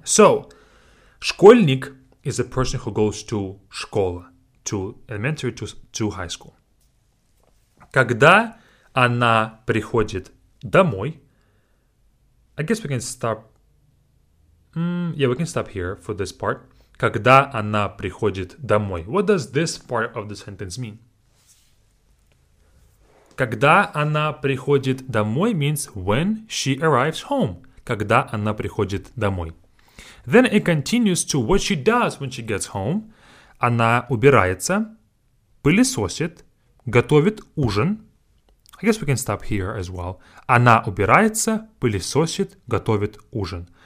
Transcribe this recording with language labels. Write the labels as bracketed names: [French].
[English] So, школьник is a person who goes to школа, to elementary, to high school. [Russian] Когда она приходит домой, [English] I guess we can stop. Yeah, we can stop here for this part. [Russian] Когда она приходит домой. [English] What does this part of the sentence mean? [Russian] Когда она приходит домой [English] means when she arrives home. [Russian] Когда она приходит домой. [English] Then it continues to what she does when she gets home. [Russian] Она убирается, пылесосит, готовит ужин. [English] I guess we can stop here as well. [Russian] Она убирается, пылесосит, готовит ужин.